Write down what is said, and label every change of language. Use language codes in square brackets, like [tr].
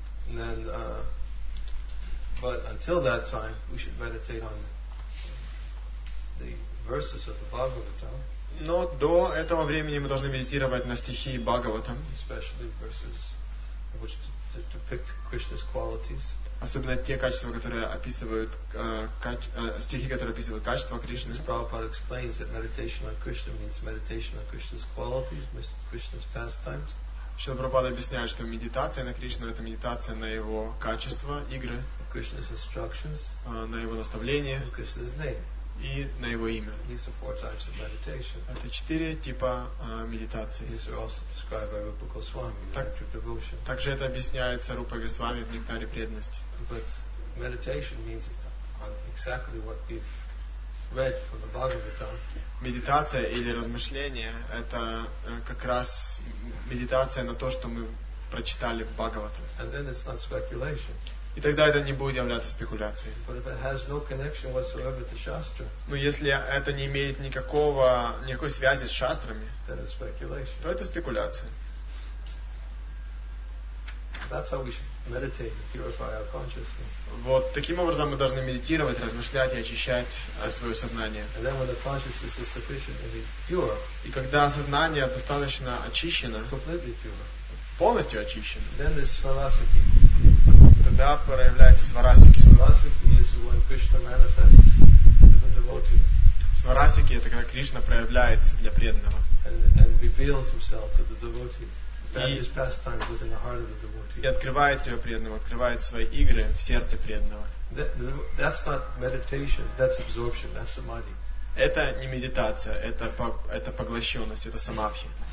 [en] Then, but until that time, we should meditate on the verses of the Bhagavata. [ru] Но до этого времени мы должны медитировать на стихи Бхагаватам. [en] Especially verses which depict Krishna's qualities. [ru] Особенно те качества, которые описывают стихи, которые описывают качества Кришны. [en] Prabhupada explains that meditation on Krishna means meditation on Krishna's qualities, Krishna's pastimes. [ru] Шрила Прабхупада объясняет, что медитация на Кришну это медитация на его качества, игры, [en] Krishna's instructions, [ru] на его наставления [en] and Krishna's name. [ru] И на его имя. [en] These are four types of meditation. [ru] Это четыре типа медитации. [en] These are also described by Rupa Goswami, [ru] так, [en] the nectar of devotion. [ru] Также это объясняется Рупа Госвами в нектаре преданности. [en] But meditation means exactly what we've read from the Bhagavata. [ru] Медитация или размышление это как раз медитация на то, что мы прочитали в Бхагавате. [en] And then it's not speculation. [ru] И тогда это не будет являться спекуляцией. [en] But if it has no connection whatsoever to Shastra, [ru] но если это не имеет никакой связи с шастрами, [en] then it's speculation. [ru] То это спекуляция. [en] That's how we should meditate and purify our consciousness. [ru] Вот таким образом мы должны медитировать, размышлять и очищать свое сознание. [en] And then when the consciousness is sufficiently pure, [ru] и когда сознание достаточно очищено, [en] completely pure, [ru] полностью очищено, [en] then this philosophy. [ru] Тогда проявляется сварасики. [en] Сварасики is when Krishna manifests to the devotee. [ru] Сварасики это когда Кришна проявляется для преданного. [en] And reveals himself to the devotees. That is pastime within the heart of the devotee. [ru] И открывает себя преданному, открывает свои игры в сердце преданного. [en] That's not meditation, that's absorption, that's samadhi. [ru] Это не медитация, это поглощенность, это самадхи.